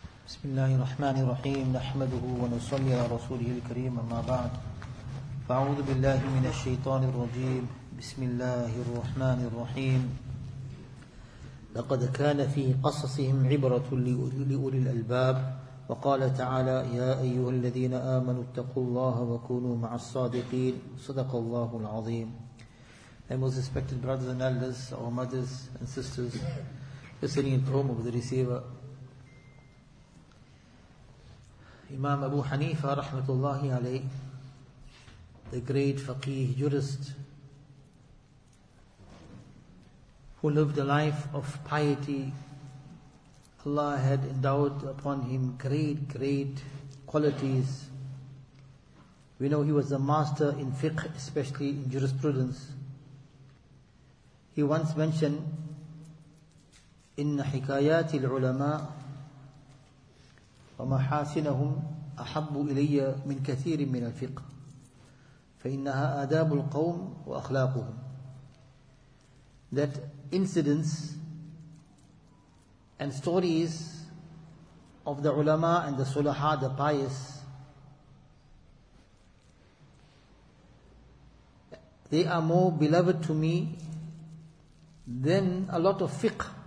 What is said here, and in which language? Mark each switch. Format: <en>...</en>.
<ar>بسم الله الرحمن الرحيم، نحمده ونصلي على رسوله الكريم، أما بعد، فأعوذ بالله من الشيطان الرجيم. بسم الله الرحمن الرحيم. لقد كان في قصصهم عبرة لأولي الألباب، وقال تعالى يا أيها الذين آمنوا اتقوا الله وكونوا مع الصادقين صدق الله العظيم.</ar> <en>And most respected brothers and elders, our mothers and sisters listening in the home of the receiver, Imam Abu Hanifa rahmatullahi alayh, the great faqih jurist who lived a life of piety, Allah had endowed upon him great, great qualities. We know he was a master in fiqh, especially in jurisprudence. He once mentioned,</en> <ar>إِنَّ حِكَايَاتِ الْعُلَمَاءِ وَمَحَاسِنَهُمْ أَحَبُّ إِلَيَّ مِنْ كَثِيرٍ مِنَ الْفِقْهِ فَإِنَّهَا آدَابُ الْقَوْمِ وَأَخْلَاقُهُمْ.</ar> <en>That incidents and stories of the ulama and the sulaha, the pious, they are more beloved to me than a lot of fiqh.</en>